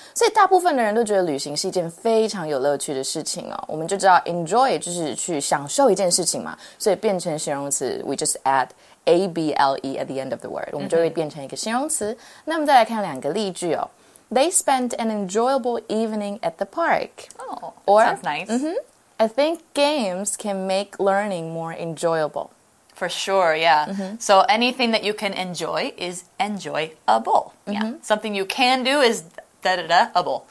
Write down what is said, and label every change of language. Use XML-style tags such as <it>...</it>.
<zh>所以大部分的人都觉得旅行是一件非常有乐趣的事情哦。我们就知道 enjoy 就是去享受一件事情嘛。所以变成形容词</zh> <en>,we just add able at the end of the word.</en> <zh>我们就会变成一个形容词。那么再来看两个例句哦。</zh> <en>They spent an enjoyable evening at the park. Oh, that sounds nice. I think games can make learning more enjoyable. For sure, yeah. Mm-hmm. So anything that you can enjoy is enjoyable. Yeah. Mm-hmm. Something you can do is da-da-da-able.</en>